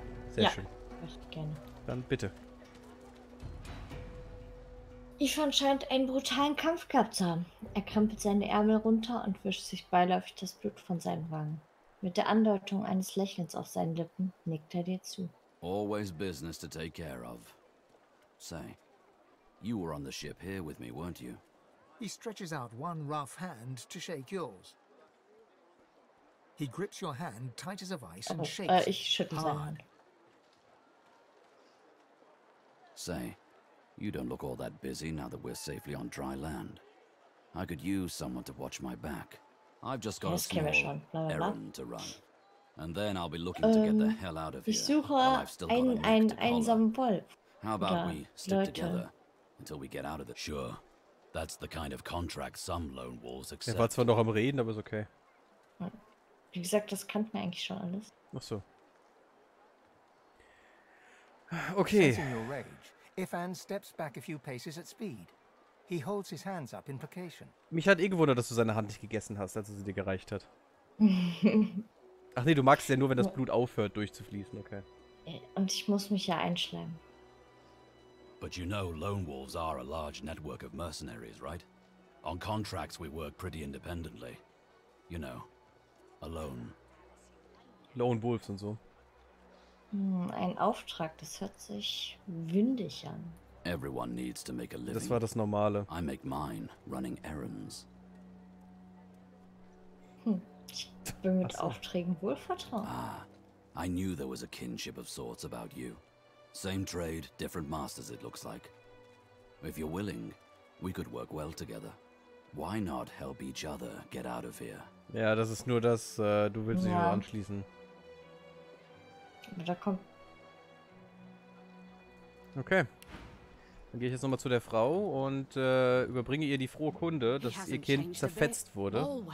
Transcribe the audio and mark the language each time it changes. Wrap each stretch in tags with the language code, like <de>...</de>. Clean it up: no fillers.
<de>Sehr ja, schön. Möchte gerne. Dann bitte. Ifan scheint einen brutalen Kampf gehabt zu haben. Er krempelt seine Ärmel runter und wischt sich beiläufig das Blut von seinen Wangen. Mit der Andeutung eines Lächelns auf seinen Lippen nickt er dir zu.</de> <en>Always business to take care of. Say, you were on the ship here with me, weren't you? He stretches out one rough hand to shake yours. He grips your hand tight as a vice and shakes it.</en> <de>Ich schüttel seine Hand.</de> <en>Say, you don't look all that busy now that we're safely on dry land. I could use someone to watch my back. I've just got a small errand to run. And then I'll be looking to get the hell out of here.</en> <de>Ich suche einen einsamen Wolf.</de> <en>How about we stick together until we get out of the... Sure, that's the kind of contract some lone wolves accept.</en> <de>Er war zwar noch am Reden, aber ist okay. Wie gesagt, das kannten wir eigentlich schon alles. Ach so. Okay.</de> <en>Ifan steps back a few paces at speed. He holds his hands up in placation.</en> <de>Mich hat eh gewundert, dass du seine Hand nicht gegessen hast, als er sie dir gereicht hat. Ach nee, du magst ja nur, wenn das Blut aufhört durchzufließen, okay. Und ich muss mich ja einschleimen.</de> <en>But you know, lone wolves are a large network of mercenaries, right? On contracts we work pretty independently. You know, alone.</en> <de>Lone wolves und so. Ein Auftrag, das hört sich windig an.</de> <en>Everyone needs to make a living.</en> <de>Das war das Normale.</de> <en>I make mine running errands.</en> <de>Ich bin mit Aufträgen wohl vertraut.</de> <en>Ah, I knew there was a kinship of sorts about you. Same trade, different masters it looks like. If you're willing, we could work well together. Why not help each other get out of here?</en> <de>Ja, das ist nur das, du willst dich nur anschließen. Da kommt. Okay. Dann gehe ich jetzt nochmal zu der Frau und überbringe ihr die frohe Kunde, dass ihr Kind zerfetzt wurde.</de>